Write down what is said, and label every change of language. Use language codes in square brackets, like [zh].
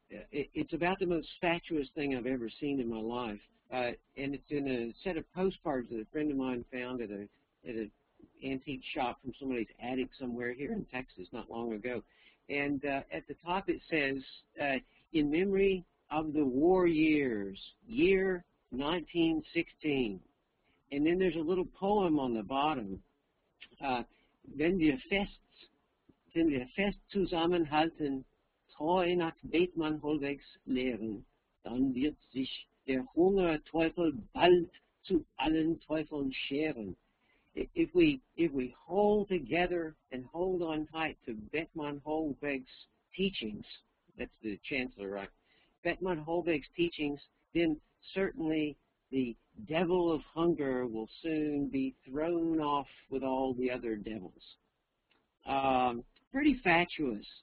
[en] It's about the most fatuous thing I've ever seen in my life, and it's in a set of postcards that a friend of mine found at a antique shop from somebody's attic somewhere here in Texas not long ago. And at the top it says, in memory of the war years, year 1916. And then there's a little poem on the bottom, [de] wenn wir fest zusammenhalten, treu nach Bethmann-Hollwegs Lehren, dann wird sich der Hungerteufel bald zu allen Teufeln scheren. [en] If we hold together and hold on tight to Bethmann-Hollweg's teachings, that's the chancellor, right? Bethmann-Hollweg's teachings, then certainly the devil of hunger will soon be thrown off with all the other devils. Pretty fatuous.